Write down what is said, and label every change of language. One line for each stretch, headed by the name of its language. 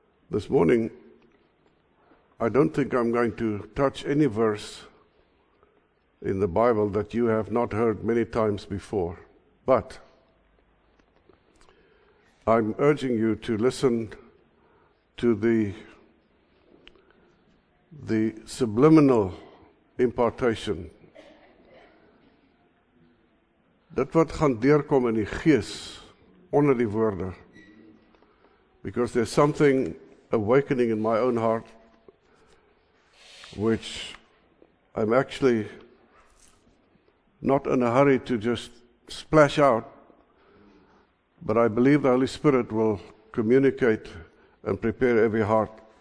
English: This morning, I don't think I'm going to touch any verse in the Bible that you have not heard many times before, but I'm urging you to listen to the subliminal impartation.
Afrikaans: Dit wat gaan deurkom in die gees onder die woorde.
English: Because there's something awakening in my own heart, which I'm actually not in a hurry to just splash out, but I believe the Holy Spirit will communicate and prepare every heart.